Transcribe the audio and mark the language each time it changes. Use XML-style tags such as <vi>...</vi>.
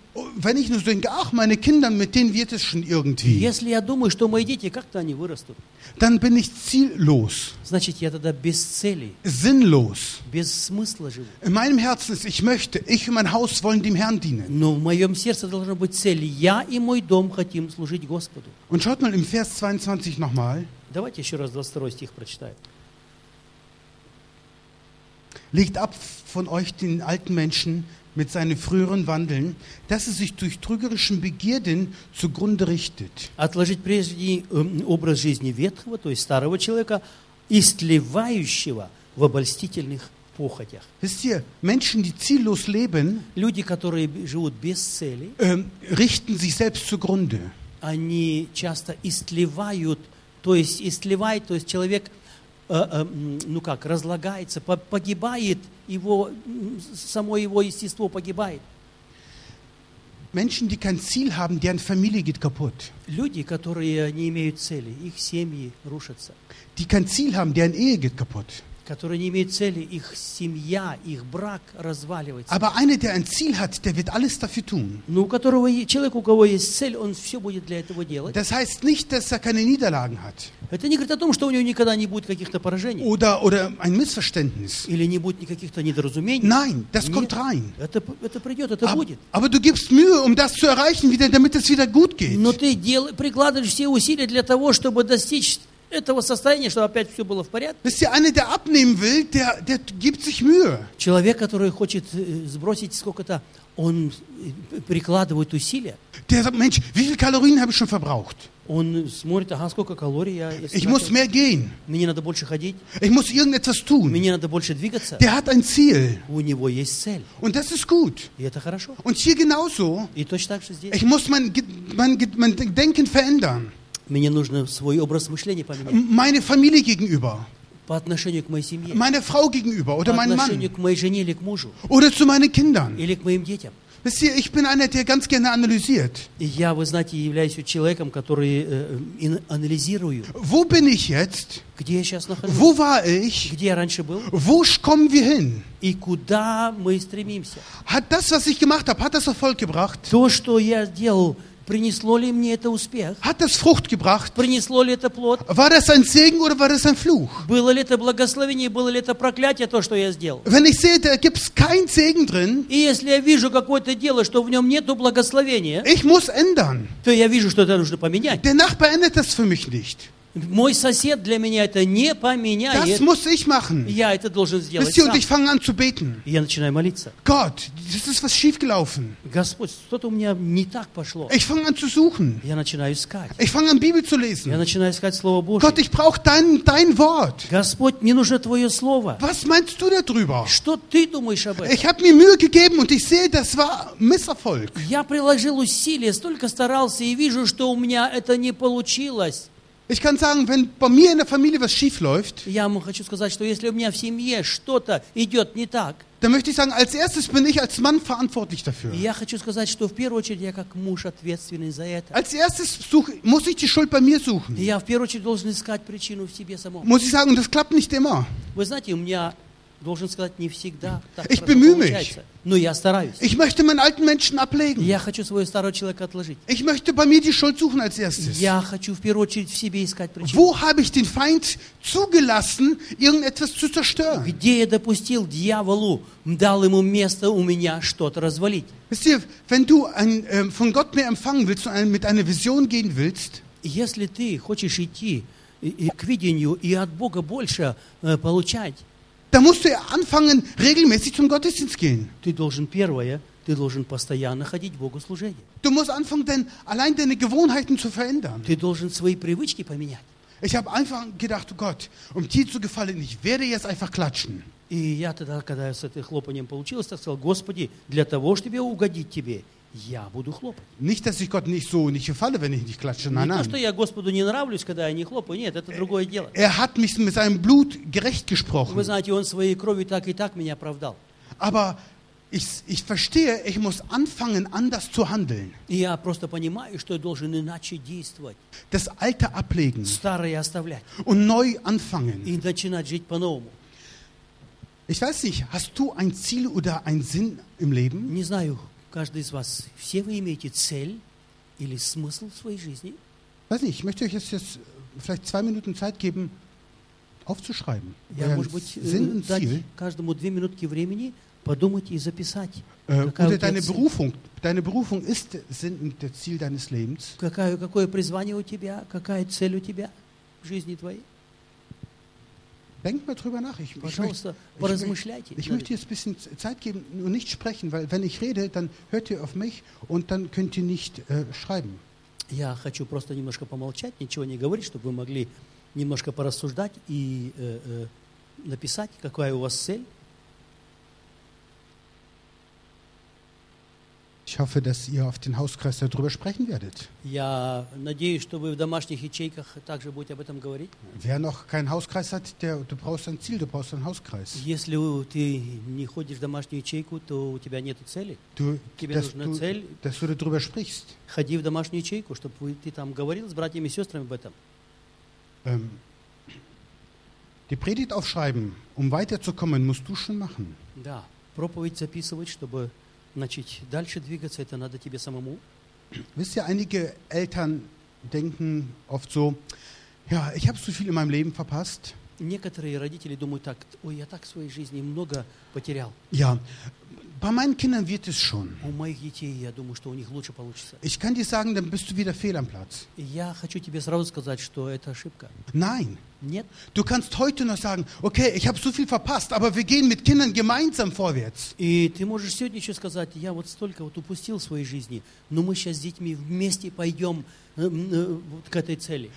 <de>Wenn ich nur denke, ach, meine Kinder, mit denen wird es schon irgendwie.</de> <ru>Если я думаю, что мои дети, как-то они вырастут.</ru> <de>Dann bin ich ziellos.</de> <ru>Значит, я тогда без цели.</ru> <de>Sinnlos.</de> <ru>Без смысла живу.</ru> <de>In meinem Herzen ist, ich möchte, ich und mein Haus wollen dem Herrn dienen.</de> <ru>Но в моем сердце должна быть цель. Я и мой дом хотим служить Господу.</ru> <de>Und schaut mal im Vers 22 nochmal.</de> <ru>Давайте еще раз 22 стих прочитаем.</ru> <de>Legt ab von euch den alten Menschen mit seinen früheren Wandeln, dass er sich durch trügerischen Begierden zugrunde richtet.</de> <ru>Отложить прежний образ жизни ветхого, то есть старого человека, истлевающего в обольстительных похотях.</ru> <de>Wisst ihr, Menschen, die ziellos leben,</de> <ru>люди, которые живут без цели,</ru> <de>richten sich selbst zugrunde.</de> <ru>Они часто истлевают, то есть истлевает, то есть человек, ну как, разлагается, погибает, его, само его естество погибает.</ru> <de>Menschen, die kein Ziel haben, deren Familie geht kaputt.</de> <ru>Люди, которые не имеют цели, их семьи рушатся.</ru> <de>Die kein Ziel haben, deren Ehe geht kaputt.</de> <ru>Которые не имеют цели, их семья, их брак разваливается.</ru> <de>Aber einer, der ein Ziel hat, der wird alles dafür tun.</de> <ru>Но у которого человек, у кого есть цель, он все будет для этого делать.</ru> <de>Das heißt nicht, dass er keine Niederlagen hat.</de> <ru>Это не говорит о том, что у него никогда не будет каких-то поражений.</ru> <de>Oder ein Missverständnis.</de> <ru>Или не будет никаких-то недоразумений.</ru> <de>Nein, das kommt rein.</de> <ru>Это придет, это будет.</ru> <de>Aber du gibst Mühe, das zu erreichen, wieder, damit es wieder gut geht.</de> <ru>Но ты прикладываешь все усилия для того, чтобы достичь этого состояния, чтобы опять все было в порядке.</ru> <de>Wisst ihr, einer, der abnehmen will, der gibt sich Mühe.</de> <ru>Человек, который хочет сбросить сколько-то,</ru> <de>Und</de> <ru>прикладывают усилия.</ru> <de>Der sagt, Mensch, wie viele Kalorien habe ich schon verbraucht? Und</de> <ru>смотрит, ага, сколько калорий я исчерпал.</ru> <de>Ich muss mehr gehen.</de> <ru>Мне надо больше ходить.</ru> <de>Ich muss irgendetwas tun.</de> <ru>Мне надо больше двигаться.</ru> <de>Der hat ein Ziel.</de> <ru>У него есть цель.</ru> <de>Und das ist gut.</de> <ru>И это хорошо.</ru> <de>Und hier genauso.</de> <ru>И точно так же здесь.</ru> <de>Ich muss mein Denken verändern.</de> <ru>Мне нужно свой образ мышления поменять.</ru> <de>Meine Familie gegenüber.</de> <ru>По отношению к моей семье.</ru> <de>Meine Frau gegenüber oder mein Mann.</de> <ru>По отношению к моей жене или к мужу.</ru> <de>Oder zu meinen Kindern.</de> <ru>Или к моим детям.</ru> <de>Wisst ihr, ich bin einer, der ganz gerne analysiert.</de> <ru>Я, вы знаете, являюсь человеком, который анализирую.</ru> <de>Wo bin ich jetzt?</de> <ru>Где я сейчас нахожусь?</ru> <de>Wo war ich?</de> <ru>Где я раньше был?</ru> <de>Wo kommen wir hin?</de> <ru>И куда мы стремимся?</ru> <de>Hat das, was ich gemacht habe, hat das Erfolg gebracht?</de> <ru>То, что я сделал, принесло ли мне это успех?</ru> <de>Hat das Frucht gebracht?</de> <ru>Принесло ли это плод?</ru> <de>War das ein Segen oder war das ein Fluch?</de> <ru>Было ли это благословение, было ли это проклятие, то, что я сделал?</ru> <de>Wenn ich sehe, da gibt's kein Segen drin.</de> <ru>И если я вижу какое-то дело, что в нем нету благословения,</ru> <de>ich muss ändern.</de> <ru>То я вижу, что это нужно поменять.</ru> <de>Der Nachbar ändert das für mich nicht.</de> <ru>Мой сосед для меня это не поменяет.</ru> <de>Das muss ich machen.</de> <ru>Я это должен сделать.</ru> <de>Wisst ihr, und ich fange an zu beten.</de> <ru>Я начинаю молиться.</ru> <de>Gott, das ist was schief gelaufen.</de> <ru>Господь, что-то у меня не так пошло.</ru> <de>Ich fange an zu suchen.</de> <ru>Я начинаю искать.</ru> <de>Ich fange an Bibel zu lesen.</de> <ru>Я начинаю искать Слово Божье.</ru> <de>Gott, ich brauche dein Wort.</de> <ru>Господь, мне нужно твое слово.</ru> <de>Was meinst du darüber?</de> <ru>Что ты думаешь об этом?</ru> <de>Ich habe mir Mühe gegeben und ich sehe, das war Misserfolg.</de> <ru>Я приложил усилия, столько старался и вижу, что у меня это не получилось.</ru> <de>Ich kann sagen, wenn bei mir in der Familie was schief läuft,</de> <ru>я вам хочу сказать, что если у меня в семье что-то идет не так,</ru> <de>dann möchte ich sagen, als erstes bin ich als Mann verantwortlich dafür.</de> <ru>Я хочу сказать, что в первую очередь я как муж ответственный за это.</ru> <de>Als erstes muss ich die Schuld bei mir suchen.</de> <ru>Я в первую очередь должен искать причину в себе самом.</ru> <de>Muss ich sagen, das klappt nicht immer.</de> <ru>Вы знаете, у меня должен сказать, не всегда так.</ru> <de>Ich bemühe mich.</de> <ru>Но я стараюсь.</ru> <de>Ich möchte meinen alten Menschen ablegen.</de> <ru>Я хочу своего старого человека отложить.</ru> <de>Ich möchte bei mir die Schuld suchen als erstes.</de> <ru>Я хочу в первую очередь в себе искать причину.</ru> <de>Wo habe ich den Feind zugelassen, irgendetwas zu zerstören?</de> <ru>Где я допустил дьяволу, дал ему место у меня что-то развалить?</ru> <de>Wisst ihr, wenn du von Gott mehr empfangen willst und mit einer Vision gehen willst,</de> <ru>если ты хочешь идти к видению и от Бога больше получать,</ru> <de>da musst du ja anfangen, regelmäßig zum Gottesdienst gehen.</de> <ru>Ты должен первое, ты должен постоянно ходить в богослужение.</ru> <de>Du musst anfangen, allein deine Gewohnheiten zu verändern.</de> <ru>Ты должен свои привычки поменять.</ru> <de>Ich habe einfach gedacht, Gott, dir zu gefallen, ich werde jetzt einfach klatschen.</de> <ru>И я тогда, когда с этим хлопанием получилось, сказал, Господи, для того, чтобы угодить тебе, я буду хлопать.</ru> <de>Nicht, dass ich Gott nicht so nicht gefalle, wenn ich nicht klatsche. Nein, nein.</de> <ru>Не то, что я Господу не нравлюсь, когда я не хлопаю. Нет, это другое дело.</ru> <de>Er hat mich mit seinem Blut gerecht gesprochen.</de> <ru>Вы знаете, он своей кровью так и так меня оправдал.</ru> <de>Aber ich verstehe, ich muss anfangen, anders zu handeln.</de> <ru>Я просто понимаю, что я должен иначе действовать.</ru> <de>Das Alte ablegen.</de> <ru>Старое оставлять.</ru> <de>Und neu anfangen.</de> <ru>И начинать жить по-новому.</ru> <de>Ich weiß nicht, hast du ein Ziel oder einen Sinn im Leben?</de> <ru>Не знаю. Каждый из вас, все вы имеете цель или смысл в своей жизни?</ru> <de>Weiß nicht, ich möchte euch jetzt vielleicht zwei Minuten Zeit geben, aufzuschreiben.</de> <ru>Я, может быть,</ru> <de>Sinn und Ziel.</de> <ru>Каждому две минутки времени подумать и записать.</ru> <de>Oder deine Berufung. Deine Berufung ist Sinn und Ziel deines Lebens.</de> <ru>Какое призвание у тебя? Какая цель у тебя в жизни твоей?</ru> <de>Denkt mal drüber nach. Ich möchte jetzt ein bisschen Zeit geben und nicht sprechen, weil wenn ich rede, dann hört ihr auf mich und dann könnt ihr nicht schreiben.</de> <ru>Я хочу просто немножко помолчать, ничего не говорить, чтобы вы могли немножко порассуждать и написать, какая у вас цель.</ru> <de>Ich hoffe, dass ihr auf den Hauskreis darüber sprechen werdet.</de> <ru>Я надеюсь, что вы в домашних ячейках также будете об этом говорить.</ru> <de>Wer noch keinen Hauskreis hat, du brauchst ein Ziel, du brauchst einen Hauskreis.</de> <ru>Если ты не ходишь в домашнюю ячейку, то у тебя нету цели. Тебе нужна цель.</ru> <de>Dass du darüber sprichst.</de> <ru>Ходи в домашнюю ячейку, чтобы ты там говорил с братьями и сестрами об этом.</ru> <de>Die Predigt aufschreiben, weiterzukommen, musst du schon machen.</de> <ru>Да, проповедь записывать, чтобы начать дальше двигаться, это надо тебе самому.</ru> <de>Wisst ihr, einige Eltern denken oft so, ja, ich habe so viel in meinem Leben verpasst.</de> <ru>Некоторые родители думают так, ой, я так в своей жизни много потерял.</ru> <de>Ja, bei meinen Kindern wird es schon.</de> <ru>У моих детей, я думаю, что у них лучше получится.</ru> <de>Ich kann dir sagen, dann bist du wieder fehl am Platz.</de> <ru>Я хочу тебе сразу сказать, что это ошибка.</ru> <de>Nein.</de> <ru>Нет.</ru> <de>Du kannst heute noch sagen, okay, ich habe so viel verpasst, aber wir gehen mit Kindern gemeinsam vorwärts.</de> <ru>И ты можешь сегодня еще сказать, я вот столько вот упустил в своей жизни, но мы сейчас с детьми вместе пойдем вот к этой цели.</ru>